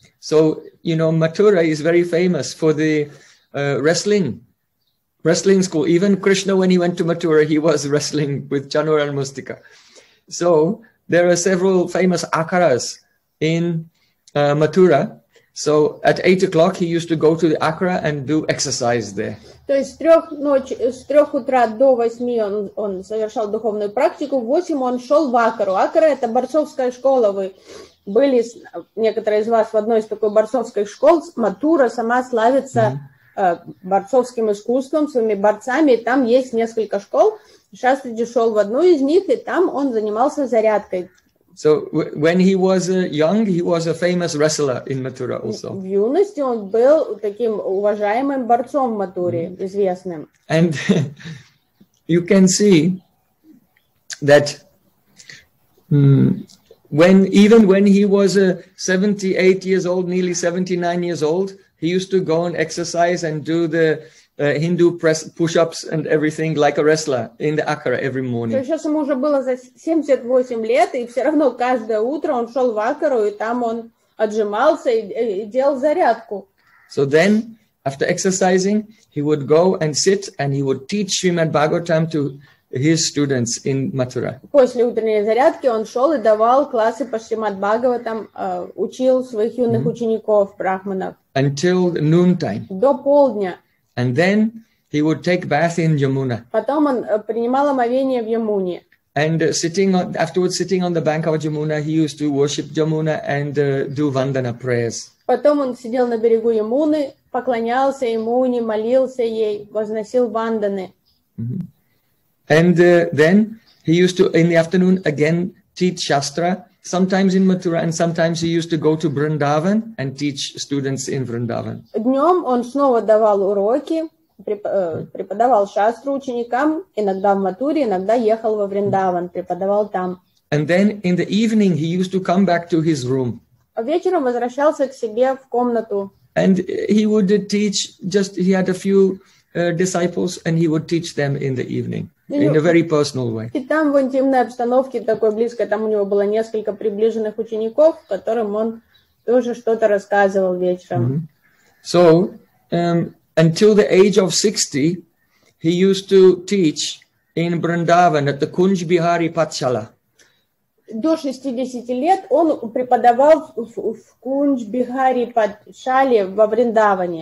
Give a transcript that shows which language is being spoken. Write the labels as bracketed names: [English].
[English] So, you know, Mathura is very famous for the wrestling school. Even Krishna, when he went to Mathura, he was wrestling with Chanur and Mustika. So there are several famous akaras in Mathura. So at 8 o'clock he used to go to the akara and do exercise there. [Russian] То есть с трех утра до 8 он совершал духовную практику. В 8 он шел в акару. Акара — это борцовская школа. Вы были некоторые из вас в одной из такой борцовской школ. Мathura сама славится борцовским искусством, своими борцами. Там есть несколько школ. Шастриджи шел в одну из них, и там он занимался зарядкой. [English] So when he was young, he was a famous wrestler in Mathura also. [Russian] В юности он был таким уважаемым борцом в Мathure, известным. [English] And you can see that when he was 78 years old, nearly 79 years old, he used to go and exercise and do the Hindu press push-ups and everything like a wrestler in the akara every morning. [Russian] То есть сейчас ему уже было за 78 лет, и все равно каждое утро он шел в акару, и там он отжимался и делал зарядку. [English] So then, after exercising, he would go and sit, and he would teach Srimad Bhagavatam to his students in Mathura. [Russian] После утренней зарядки он шел и давал классы по Шримад Бхагаватам, учил своих юных учеников, брахманов. [English] Until noontime. [Russian] До полдня. [English] And then he would take bath in Yamuna. [Russian] Потом он принимал омовение в Ямуне. [English] And afterwards, sitting on the bank of Yamuna, he used to worship Yamuna and do vandana prayers. [Russian] Потом он сидел на берегу Ямуны, поклонялся Ямуне, молился ей, возносил ванданы. [English] And then he used to, in the afternoon, again teach Shastra, sometimes in Mathura, and sometimes he used to go to Vrindavan and teach students in Vrindavan. [Russian] Днем он снова давал уроки, преподавал Шастру ученикам, иногда в Матуре, иногда ехал во Вриндаван, преподавал там. [English] And then in the evening he used to come back to his room. [Russian] Вечером возвращался к себе в комнату. [English] And he would teach, just he had a few disciples, and he would teach them in the evening, in a very personal way. [Russian] И там в интимной обстановке, такой близкой, там у него было несколько приближенных учеников, которым он тоже что-то рассказывал вечером. [English] So, until the age of 60, he used to teach in Vrindavan at the Kunj Bihari Patshala. [Russian] До 60 лет он преподавал в Кунж Бихари Патшале во Вриндаване.